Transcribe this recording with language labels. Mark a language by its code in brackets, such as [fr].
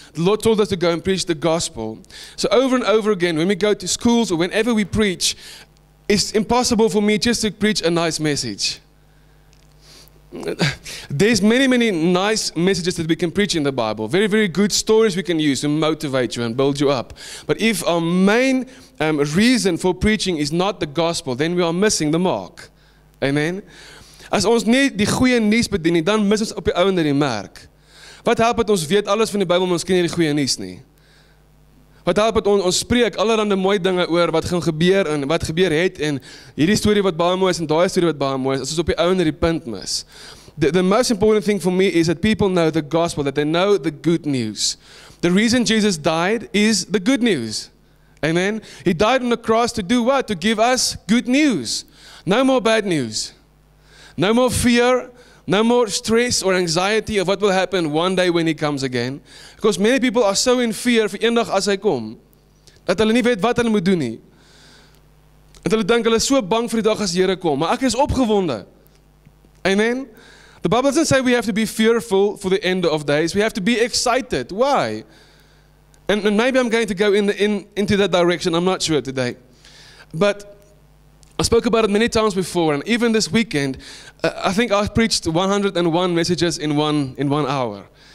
[en] The Lord told us to go and preach the gospel. So over and over again, when we go to schools or whenever we preach, it's impossible for me just to preach a nice message. There's many, many nice messages that we can preach in the Bible. Very, very good stories we can use to motivate you and build you up. But if our main reason for preaching is not the gospel, then we are missing the mark. Amen? [af] As ons nie die goeie nuus bedien nie, dan mis ons op die ou ende die merk. Wat help het ons weet alles van die Bybel, maar ons ken nie die goeie nuus nie? Wat help het ons spreek allerhande mooi dinge oor wat gaan gebeur en wat gebeur het en hierdie storie wat baie mooi is en daai storie wat baie mooi is, as ons op die ouende die punt mis. [en] The most important thing for me is that people know the gospel, that they know the good news. The reason Jesus died is the good news. Amen? He died on the cross to do what? To give us good news. No more bad news. No more fear. No more stress or anxiety of what will happen one day when he comes again. Because many people are so in fear for [af] een dag as hy kom, dat hulle nie weet wat hulle moet doen nie. Dat hulle dink hulle is so bang vir die dag as die Here kom. Maar ek is opgewonde. [en] Amen? The Bible doesn't say we have to be fearful for the end of days. We have to be excited. Why? And maybe I'm going to go into that direction. I'm not sure today. But I spoke about it many times before, and even this weekend, I think I preached 101 messages in one hour.